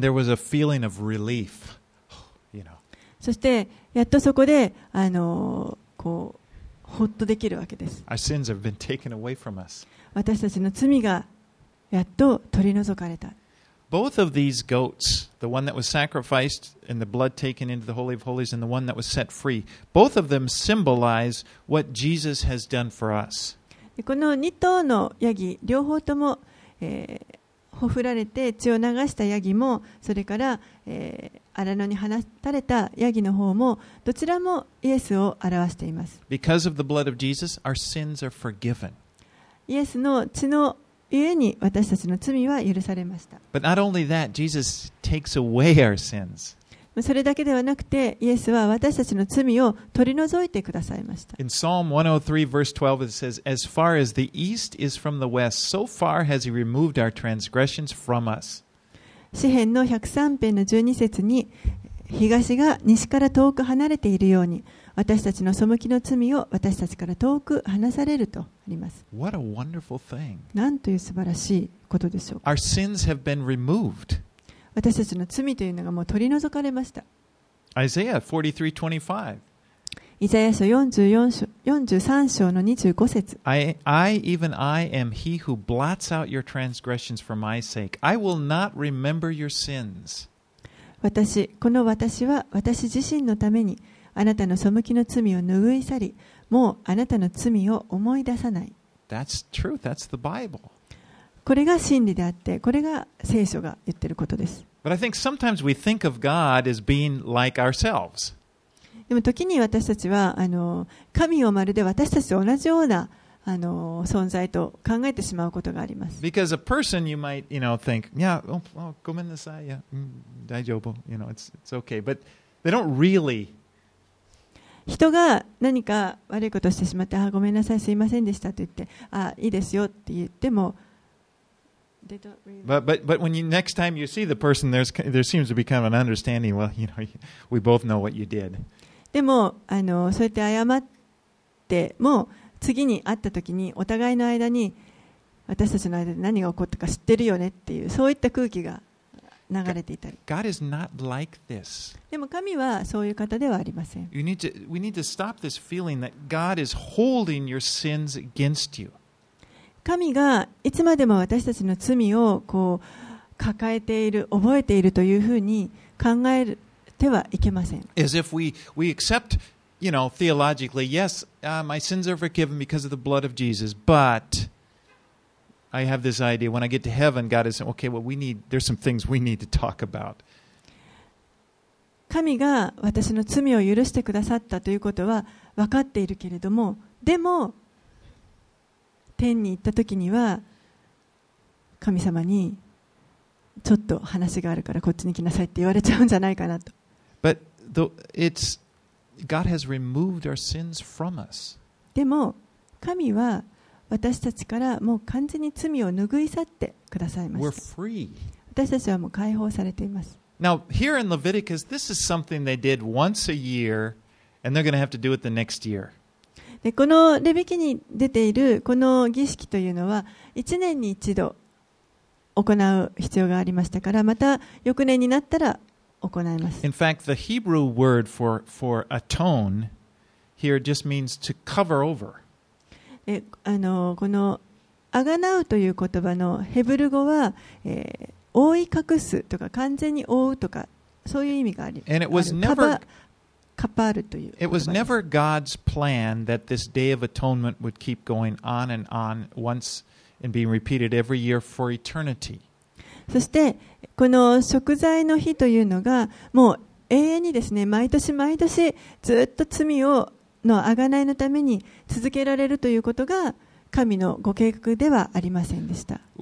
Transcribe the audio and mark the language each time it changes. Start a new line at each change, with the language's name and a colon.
English: And there was a feeling of relief, you know.
Japanese: そしてやっとそこでこうほっとできるわけです。
English: Our sins have been taken away from us.
Japanese: 私たちの罪がやっと取り除かれた。
English: Both of these goats, the one that was sacrificed and the blood taken into the Holy of Holies and the one that was set free, both of them symbolize what Jesus has done for us.
Japanese: この2頭のヤギ、両方とも、ほふられて血を流したヤギも、それから、荒野に放たれたヤギの方もどちらもイエスを表しています。
English: Because of the blood of Jesus, our sins are forgiven.
Japanese: イエスの血のゆえに私たちの罪は許されました。
English: But not only that, Jesus takes away our sins.
Japanese: それだけではなくてイエスは私たちの罪を取り除いてくださいました。
English: In Psalm 103 verse 12 it says, As far as the east is from the west, so far has he removed our transgressions from us.
Japanese: 詩編の103編の12節に東が西から遠く離れているように私たちの背きの罪を私たちから遠く離されるとあります。なんという素晴らしいことでしょう。
English: Our sins have been removed.
Japanese: 私たちの罪というのがもう取り除かれました。
English: Isaiah 43:25
Japanese: イザヤ書43章の25節
English: I am he who blots out your transgressions for my sake. I will not remember your sins.
Japanese: 私、この私は私自身のためにあなたの背きの罪を拭い去り、もうあなたの罪を思い出さない。
English: That's truth. That's the Bible.
Japanese: これが真理であって、これが聖書が言ってることです。
English: But I think sometimes we think of God as being like ourselves.
Japanese: でも時に私たちは神をまるで私たちと同じような存在と考えてしまうことがあります。
English: Because a person you might think, yeah, oh,
Japanese: ごめんなさい、
English: yeah,
Japanese: 大丈夫、
English: it's okay, but they don't really.
Japanese: 人が何か悪いことをしてしまって、ごめんなさい、すいませんでしたと言って、いいですよって言っても、
English: But when you next time you see the person, there seems to be kind of an understanding. Well, we both know what you did.
Japanese: でもそうやって謝っても次に会った時にお互いの間に私たちの間で何が起こったか知ってるよねっていうそういった空気が流れていたり。
English: God is not like this.
Japanese: でも神はそういう方ではありません。
English: We need to stop this feeling that God is holding your sins against you.
Japanese: 神がいつまでも私たちの罪をこう抱えている、覚えているというふうに考えてはいけません。
English: As if we accept, theologically, yes, my sins are forgiven because of the blood of Jesus, but... I have this idea. When I get to heaven, God is saying, "Okay, well, there's some things we need to talk about."
Japanese: 神が私の罪を許してくださったということは分かっているけれども、でも天に行った時には神様にちょっと話があるからこっちに来なさいって言われちゃうんじゃないかなと。
English: But it's God has removed our sins from us.
Japanese: でも神は私たちからもう完全に罪を拭い去ってくださいました。私たちはもう解放されています。
English: Now, here in Leviticus, this is something they did once a year, and they're going to have to do it the next year.
Japanese: で、このレビ記に出ているこの儀式というのは、1年に1度行う必要がありましたから、また翌年になったら行います。
English: In fact, the Hebrew word for atone here just means to cover over.
Japanese: このあがなうという言葉のヘブル語は、覆い隠すとか完全に覆うとかそういう意味があります。
English: And it was never,
Japanese: カパールという言葉です。
English: It was never God's plan that this day of atonement would keep going on and on once and being repeated every year for eternity.
Japanese: そしてこの食材の日というのがもう永遠にですね毎年毎年ずっと罪をの贖いのために続けられるということが神のご計画ではありませんでした。